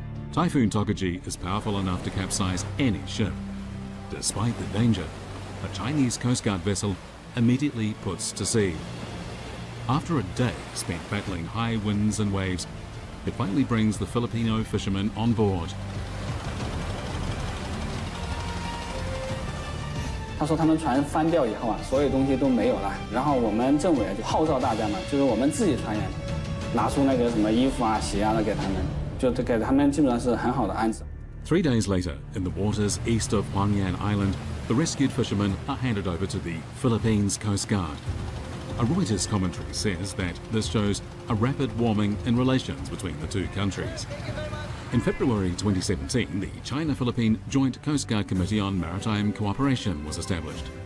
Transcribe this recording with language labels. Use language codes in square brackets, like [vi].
[en] Typhoon Tokaji is powerful enough to capsize any ship. Despite the danger, a Chinese Coast Guard vessel. Immediately puts to sea. After a day spent battling high winds and waves, it finally brings the Filipino fishermen on board. [zh] 说他们船翻掉以后啊，所有东西都没有了。然后我们政委就号召大家嘛，就是我们自己船员拿出那个什么衣服啊、鞋啊的给他们，就给他们基本上是很好的安置。 [en] Three days later, in the waters east of Huangyan Island, the rescued fishermen are handed over to the Philippines Coast Guard. A Reuters commentary says that this shows a rapid warming in relations between the two countries. In February 2017, the China-Philippine Joint Coast Guard Committee on Maritime Cooperation was established.